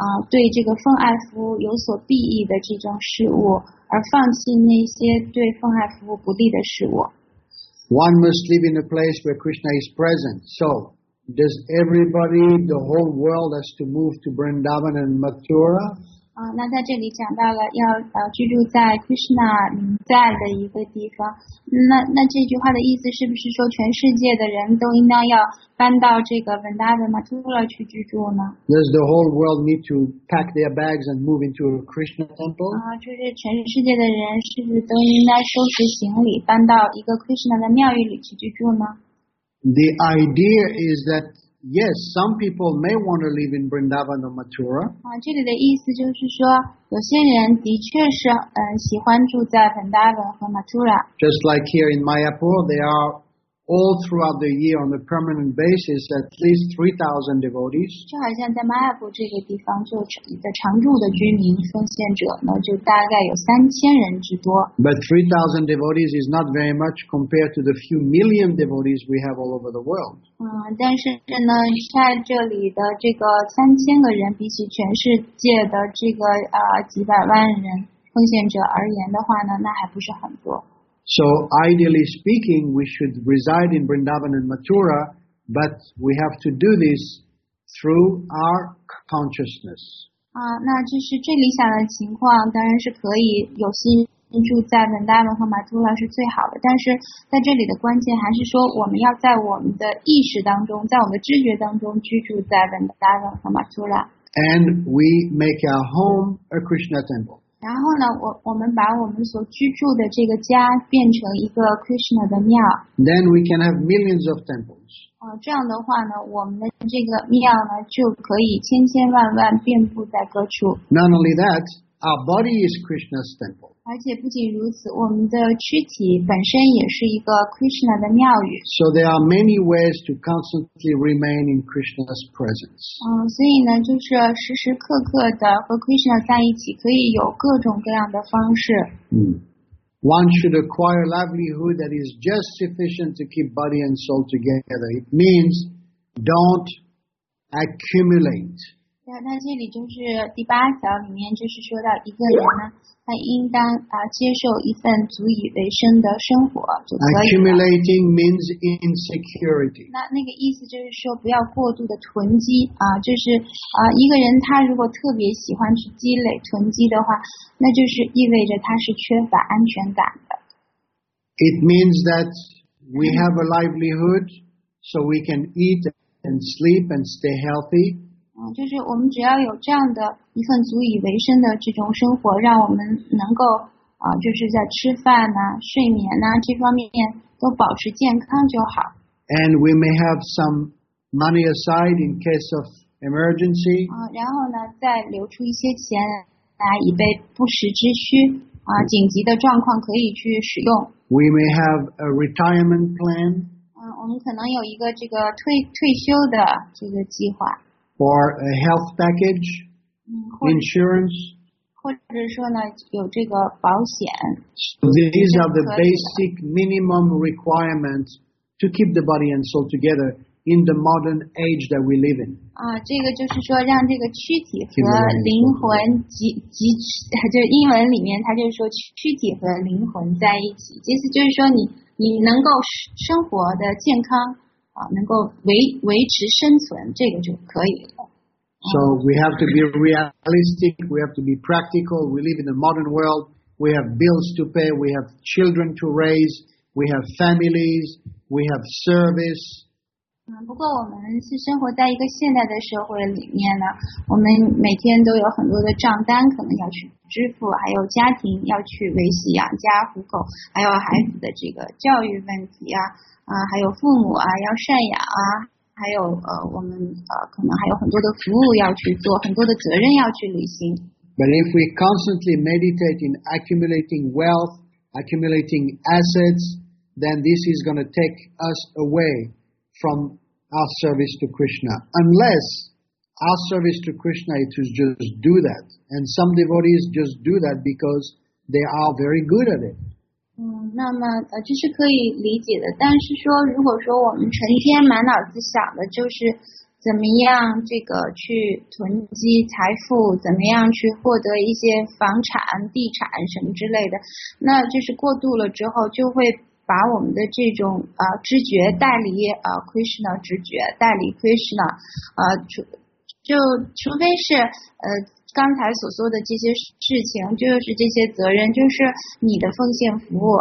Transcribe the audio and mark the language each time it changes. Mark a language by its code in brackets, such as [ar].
[zh] 对这个奉爱服务有所裨益的这种事物，而放弃那些对奉爱服务不利的事物。 [en] One must live in a place where Krishna is present. So, does everybody, the whole world, has to move to Vrindavan and Mathura? [zh] 那在这里讲到了要居住在 Krishna 临在的一个地方。那这句话的意思是不是说全世界的人都应当要搬到这个 Vrindavan Mathura 去居住呢？ [en] Does the whole world need to pack their bags and move into a Krishna temple? [zh] 就是全世界的人是不是都应该收拾行李搬到一个 Krishna 的庙宇里去居住呢？ [en] The idea is that yes, some people may want to live in Vrindavan or Mathura. [zh] 这里的意思就是说，有些人的确是喜欢住在 Vrindavan 和 Mathura. [en] Just like here in Mayapur, there are all throughout the year on a permanent basis at least 3,000 devotees. [zh] 就好像在 Mayapur 这个地方，就的常住的居民奉献者呢，就大概有3000人之多。 [en] But 3,000 devotees is not very much compared to the few million devotees we have all over the world. [zh] 但是呢，在这里的这个三千个人，比起全世界的这个几百万人奉献者而言的话呢，那还不是很多。 [en] So ideally speaking, we should reside in Vrindavan and Mathura, but we have to do this through our consciousness. [zh] 那这是最理想的情况，当然是可以有心。住在 Vrindavan 和 Mathura 是最好的，但是在这里的关键还是说，我们要在我们的意识当中，在我们的知觉当中居住在 Vrindavan 和 Mathura。 [en] And we make our home a Krishna temple. [zh] 然后呢，我们把我们所居住的这个家变成一个 Krishna 的庙。 [en] Then we can have millions of temples. [zh] 这样的话呢，我们的这个庙呢就可以千千万万遍布在各处。 [en] Not only that, our body is Krishna's temple. [zh] 而且不仅如此，我们的躯体本身也是一个 Krishna 的庙宇。 [en] So there are many ways to constantly remain in Krishna's presence. [zh] 所以呢，就是时时刻刻的和 Krishna 在一起，可以有各种各样的方式。 [en] One should acquire livelihood that is just sufficient to keep body and soul together. It means don't accumulate. [zh] 那这里就是第八条里面，就是说到一个人呢。他应当接受一份足以为生的生活就可以了。 [en] Accumulating means insecurity. [zh] 那个意思就是说不要过度的囤积就是一个人他如果特别喜欢去积累囤积的话，那就是意味着他是缺乏安全感的。 [en] It means that we have a livelihood so we can eat and sleep and stay healthy. [zh] 就是我们只要有这样的一份足以为生的这种生活，让我们能够就是在吃饭呐、睡眠呐、这方面都保持健康就好。 [en] And we may have some money aside in case of emergency. [zh] 然后呢，再留出一些钱来以备不时之需紧急的状况可以去使用。 [en] We may have a retirement plan. [zh] 我们可能有一个这个退休的这个计划。 [en] For a health package, insurance, [zh] 或者说呢，有这个保险。 [en] These are the basic minimum requirements to keep the body and soul together in the modern age that we live in. [zh] 这个就是说让这个躯体和灵魂就英文里面它就是说躯体和灵魂在一起，意思就是说你能够生活的健康。能够维持生存，这个就可以了。 [en] So we have to be realistic, we have to be practical, we live in a modern world, we have bills to pay, we have children to raise, we have families, we have service. [zh] 不过我们是生活在一个现代的社会里面呢，我们每天都有很多的账单可能要去支付，还有家庭要去维系养家糊口，还有孩子的这个教育问题还有父母要赡养还有我们可能还有很多的服务要去做，很多的责任要去履行。 [en] But if we constantly meditate in accumulating wealth, accumulating assets, then this is going to take us away from our service to Krishna. Unless our service to Krishna is to just do that. And some devotees just do that because they are very good at it. [zh] 那么这是可以理解的，但是说如果说我们成天满脑子想的就是怎么样这个去囤积财富，怎么样去获得一些房产地产什么之类的，那就是过度了之后就会把我们的这种知觉带离Krishna， 知觉带离 Krishna， 除非是刚才所说的这些事情，就是这些责任，就是你的奉献服务。